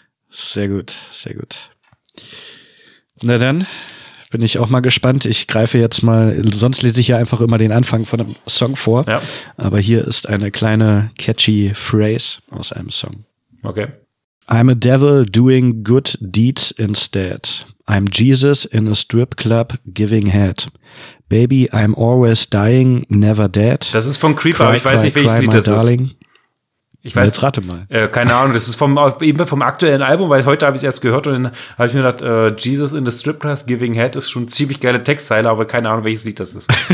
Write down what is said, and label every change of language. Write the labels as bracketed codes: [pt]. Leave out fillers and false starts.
[de] Sehr gut. Na dann, bin ich auch mal gespannt. Ich greife jetzt mal, sonst lese ich ja einfach immer den Anfang von einem Song vor. Ja. Aber hier ist eine kleine catchy Phrase aus einem Song. Okay. [en] I'm a devil doing good deeds instead. I'm Jesus in a strip club giving head. Baby, I'm always dying, never dead. [de] Das ist von Creeper, aber ich weiß nicht, welches Lied das darling. Ist. Ich weiß. Jetzt rate mal. Keine Ahnung, das ist vom aktuellen Album, weil heute habe ich es erst gehört und dann habe ich mir gedacht, [en] Jesus in a strip club giving head [de] ist schon ziemlich geile Textzeile, aber keine Ahnung, welches Lied das ist.